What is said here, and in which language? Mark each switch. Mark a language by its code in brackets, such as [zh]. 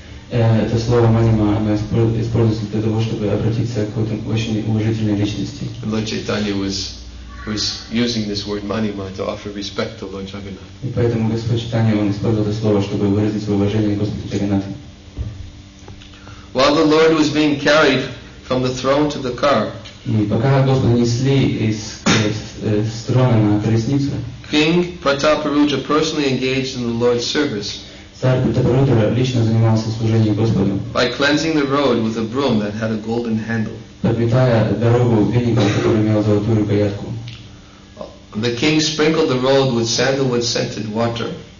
[ru] Это слово Манима используется для того, чтобы обратиться к какой-то очень уважительной личности. [en] Lord Chaitanya was using this word Manima to offer respect to Lord Jagannath. [ru] И поэтому Господь Чайтанья он использовал это слово, чтобы выразить свое уважение к Господу Джаганнату. [en] While the Lord was being carried from the throne to the car, [ru] и пока Господа несли из трона на колесницу, [en] King Prataparudra personally engaged in the Lord's service. [ru] Царь Пратапаруджа лично занимался служением Господу. [en] By cleansing the road with a broom that had a golden handle. [ru] Подметая дорогу веником, который имел золотую рукоятку. [en] The king sprinkled the road with sandalwood scented water.